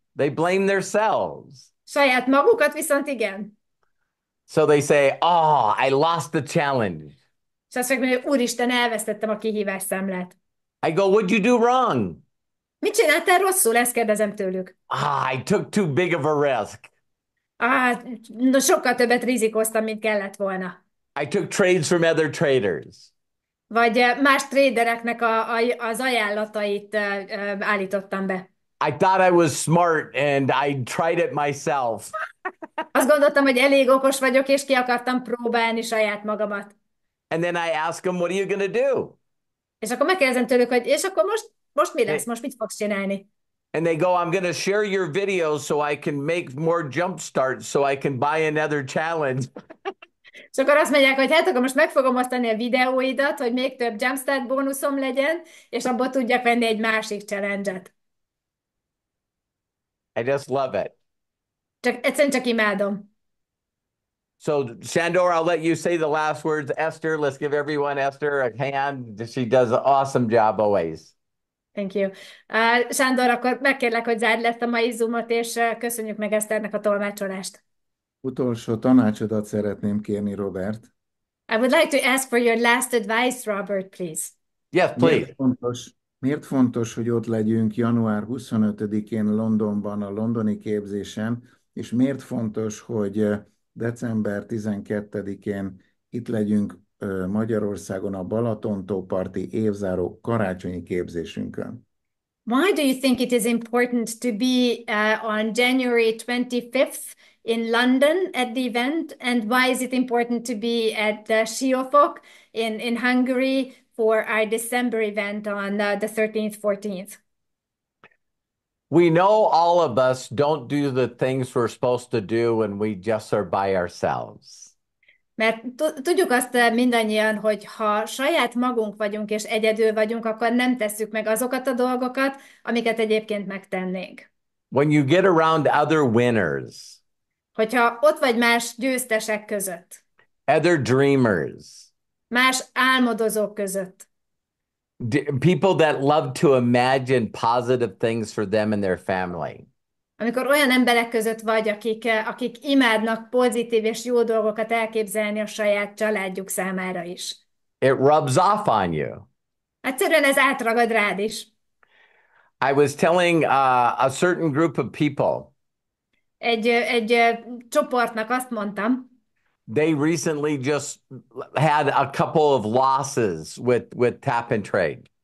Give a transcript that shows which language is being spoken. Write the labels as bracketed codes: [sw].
[en] They blame themselves. [hu] Saját magukat viszont igen. [en] So they say, oh, I lost the challenge. [hu] És azt mondja, úristen, elvesztettem a kihívás számlát. [en] I go, what'd you do wrong? [hu] Mit csináltál rosszul? Ezt kérdezem tőlük. [en] Ah, I took too big of a risk. [hu] No, sokkal többet rizikoztam, mint kellett volna. [en] I took trades from other traders. [hu] Vagy más tradereknek az ajánlatait állítottam be. [en] I thought I was smart and I tried it myself. [hu] Azt gondoltam, hogy elég okos vagyok, és ki akartam próbálni saját magamat. [en] And then I ask him, what are you going to do? [hu] És akkor megkérdezem tőlük, hogy és akkor most mi lesz, most mit fogsz csinálni? [en] And they go, I'm going to share your videos so I can make more jump starts so I can buy another challenge. [hu] És akkor azt mondják, hogy hát akkor most meg fogom osztani a videóidat, hogy még több jumpstart bónuszom legyen, és abból tudjak venni egy másik challenge-et. [en] I just love it. [hu] Csak, egyszerűen csak imádom. [en] So, Sandor, I'll let you say the last words. Esther, let's give everyone Esther a hand. She does an awesome job always. Thank you. [hu] Sándor, akkor megkérlek, hogy zárd le a mai Zoomot, és köszönjük meg Eszternek a tolmácsolást. Utolsó tanácsodat szeretném kérni, Robert. [en] I would like to ask for your last advice, Robert, please. Yes, please. [hu] Miért fontos, hogy ott legyünk január 25-én Londonban a londoni képzésen, és miért fontos, hogy december 12-én itt legyünk Magyarországon a Balatontóparti évzáró karácsonyi képzésünkön? [en] Why do you think it is important to be on January 25th in London at the event, and why is it important to be at the Siófok in Hungary for our December event on the 13th, 14th? We know all of us don't do the things we're supposed to do when we just are by ourselves. [hu] Mert tudjuk azt mindannyian, hogy ha saját magunk vagyunk és egyedül vagyunk, akkor nem tesszük meg azokat a dolgokat, amiket egyébként megtennénk. [en] When you get around other winners, [hu] hogyha ott vagy más győztesek között, [en] other dreamers, [hu] más álmodozók között, [en] people that love to imagine positive things for them and their family. [hu] Amikor olyan emberek között vagy, akik imádnak pozitív és jó dolgokat elképzelni a saját családjuk számára is. [en] It rubs off on you. [hu] Egyszerűen ez átragad rád is. [en] I was telling a certain group of people. [hu] Egy csoportnak azt mondtam. [en] They recently just had a couple of losses with tap and trade.